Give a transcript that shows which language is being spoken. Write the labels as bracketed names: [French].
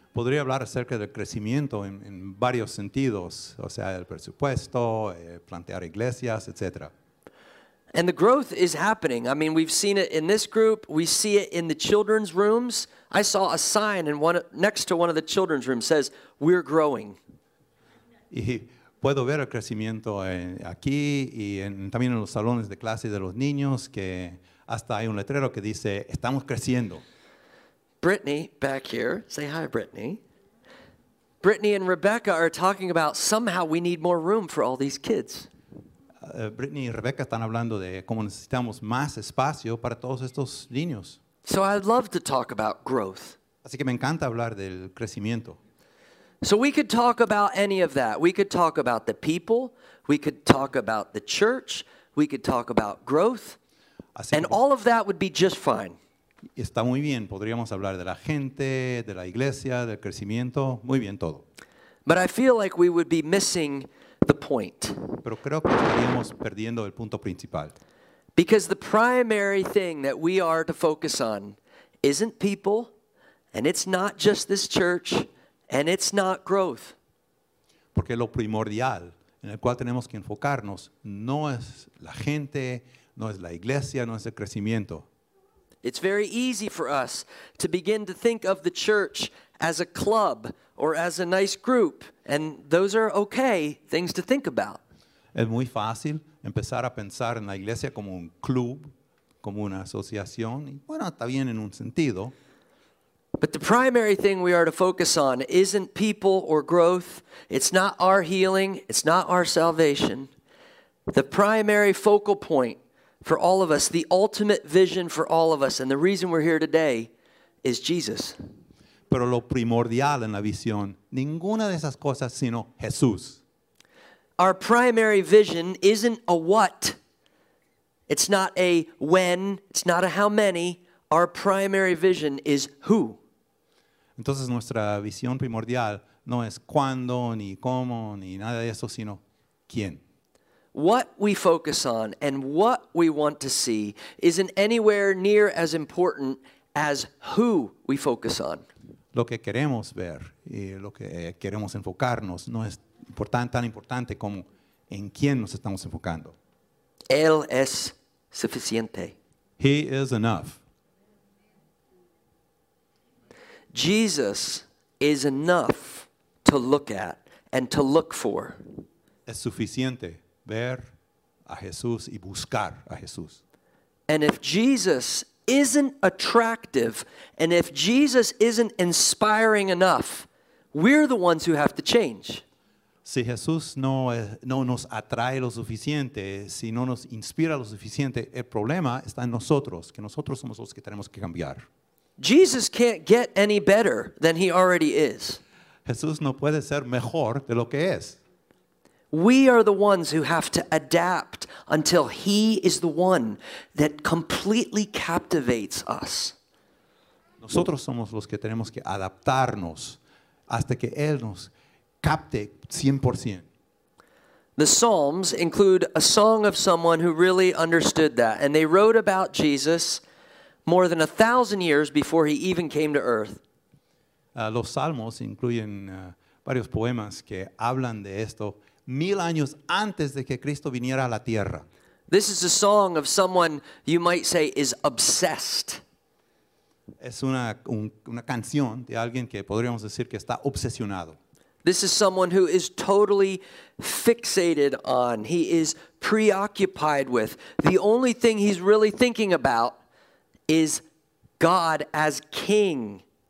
[Spanish] Podría hablar acerca del crecimiento en varios sentidos, o sea, el presupuesto, plantear iglesias, etc. [English] And the growth is happening. I mean, we've seen it in this group. We see it in the children's rooms. I saw a sign in one next to one of the children's rooms says, "We're growing." [Spanish] Y puedo ver el crecimiento aquí y también en los salones de clase de los niños que hasta hay un letrero que dice, "Estamos creciendo." [English] Brittany back here. Say hi, Brittany. Brittany and Rebecca are talking about somehow we need more room for all these kids. [Spanish] Brittany y Rebecca están hablando de cómo necesitamos más espacio para todos estos niños. [English] So I'd love to talk about growth. [Spanish] Así que me encanta hablar del crecimiento. [English] So we could talk about any of that. We could talk about the people. We could talk about the church. We could talk about growth. Así and all of that would be just fine. [Spanish] Está muy bien. Podríamos hablar de la gente, de la iglesia, del crecimiento. Muy bien todo. [English] But I feel like we would be missing the point. [Spanish] Pero creo que estaríamos perdiendo el punto principal. [English] Because the primary thing that we are to focus on isn't people, and it's not just this church, and it's not growth. [Spanish] Porque lo primordial en el cual tenemos que enfocarnos no es la gente, no es la iglesia, no es el crecimiento. [English] It's very easy for us to begin to think of the church as a club or as a nice group, and those are okay things to think about. [Spanish] Es muy fácil empezar a pensar en la iglesia como un club, como una asociación, y bueno, está bien en un sentido. [English] But the primary thing we are to focus on isn't people or growth. It's not our healing. It's not our salvation. The primary focal point for all of us, the ultimate vision for all of us, and the reason we're here today is Jesus. [Spanish] Pero lo primordial en la visión, ninguna de esas cosas sino Jesús. [English] Our primary vision isn't a what. It's not a when. It's not a how many. Our primary vision is who. [Spanish] Entonces nuestra visión primordial no es cuándo, ni cómo, ni nada de eso, sino quién. [English] What we focus on and what we want to see isn't anywhere near as important as who we focus on. [Spanish] Lo que queremos ver y lo que queremos enfocarnos no es tan importante como en quién nos estamos enfocando. Él es suficiente. [English] He is enough. Jesus is enough to look at and to look for. [Spanish] Es suficiente ver a Jesús y buscar a Jesús. [English] And if Jesus isn't attractive and if Jesus isn't inspiring enough, we're the ones who have to change. [Spanish] Si Jesús no nos atrae lo suficiente, si no nos inspira lo suficiente, el problema está en nosotros, que nosotros somos los que tenemos que cambiar. [English] Jesus can't get any better than he already is. [Spanish] Jesús no puede ser mejor de lo que es. [English] We are the ones who have to adapt until he is the one that completely captivates us. [Spanish] Nosotros somos los que tenemos que adaptarnos hasta que él nos capte 100%. [English] The Psalms include a song of someone who really understood that, and they wrote about Jesus more than 1,000 years before he even came to earth. [Spanish] Los salmos incluyen varios poemas que hablan de esto 1,000 años antes de que Cristo viniera a la tierra. [English] This is a song of someone you might say is obsessed. [Spanish] Es una canción de alguien que podríamos decir que está obsesionado. [English] This is someone who is totally fixated on, he is preoccupied with. The only thing he's really thinking about is God as king.